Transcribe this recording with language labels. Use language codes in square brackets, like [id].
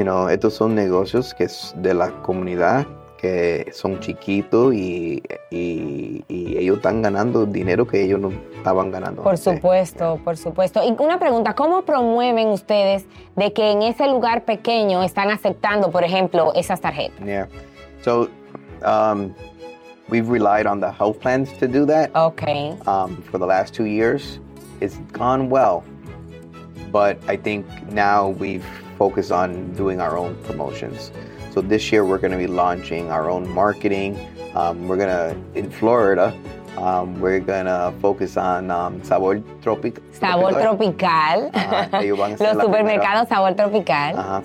[es] Estos son negocios que es de la comunidad que son chiquitos y ellos están ganando dinero que ellos no estaban ganando. Por supuesto, por supuesto. Y una pregunta, ¿cómo promueven ustedes de que en ese lugar pequeño están aceptando, por ejemplo, esas tarjetas? [en] Yeah. So, we've relied on the health plans to do that. Okay. For the last 2 years, it's gone well. But I think now we've focused on doing our own promotions. So this year we're going to be launching our own marketing. In Florida, we're going to focus on Sabor Tropical. [es] Ellos van a hacer los supermercados Sabor Tropical.